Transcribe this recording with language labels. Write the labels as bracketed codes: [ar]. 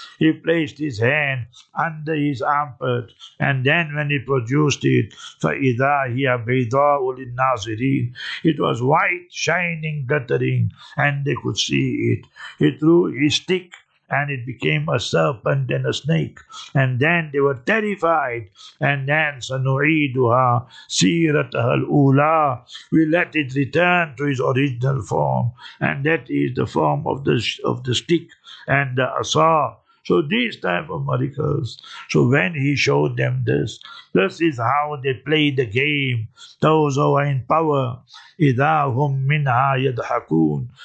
[en] He placed his hand under his armpit, and then when he produced it, [ar] فَإِذَا هِيَ بَيْضَاءُ لِلنَّاظِرِينَ. [en] It was white, shining, glittering, and they could see it. He threw his stick, and it became a serpent and a snake. And then they were terrified. And then, [ar] سَنُعِيدُهَا سِيرَتَهَا الْأُولَىٰ. [en] We let it return to its original form. And that is the form of the stick and the asa. So these type of miracles. So when he showed them this, this is how they play the game. Those who are in power, [ar] إِذَا هُمْ مِنْهَا يَدْحَكُونَ.